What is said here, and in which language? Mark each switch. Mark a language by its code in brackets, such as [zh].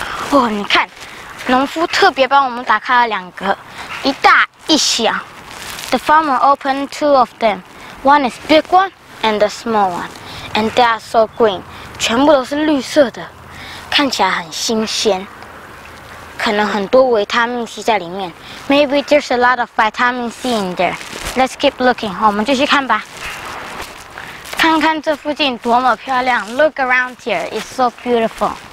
[zh] 哇，你看，农夫特别帮我们打开了两个，一大一小。 [en] The farmer opened two of them. One is big one and the small one, and they are so green. [zh] 全部都是绿色的，看起来很新鲜。可能很多维他命 C 在里面 [en] ，Maybe there's a lot of vitamin C in there. Let's keep looking. [zh] 我们继续看吧。看看这附近多么漂亮 [en] ！Look around here, it's so beautiful.